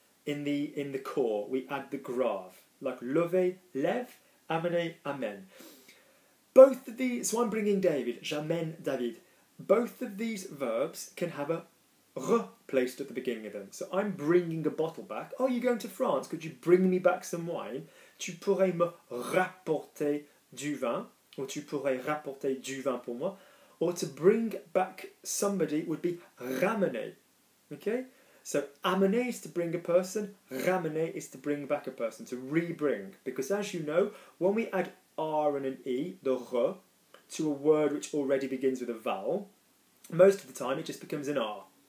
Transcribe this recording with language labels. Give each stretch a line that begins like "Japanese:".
English: In the core, we add the grave, like lever, lève, amener, amen. Both of these, so I'm bringing David,
French: j'amène David.
English: Both of these verbs can have a r placed at the beginning of them. So I'm bringing a bottle back. Oh, you're going to France, could you bring me back some wine?
French: Tu pourrais me rapporter du vin, or tu pourrais rapporter du vin pour moi.
English: Or to bring back somebody would be ramener, okay? So, amener is to bring a person, ramener is to bring back a person, to re-bring. Because as you know, when we add R and an E, the R, to a word which already begins with a vowel, most of the time it just becomes an R.